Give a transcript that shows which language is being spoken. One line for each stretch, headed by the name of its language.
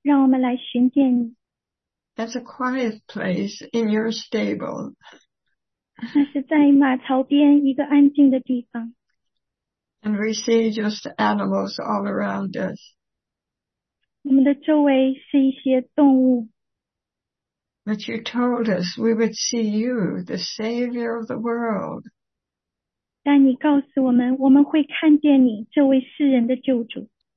Chinese: 当世人正在忙着聚集，忙着享乐的时候，让我们来寻见你。
English: That's a quiet place in your stable.
Chinese: 那是在马槽边一个安静的地方。
English: And we see just animals all around us.
Chinese: 我们的周围是一些动物。
English: But you told us we would see you, the Savior of the world.
Chinese: 但你告诉我们，我们会看见你这位世人的救主。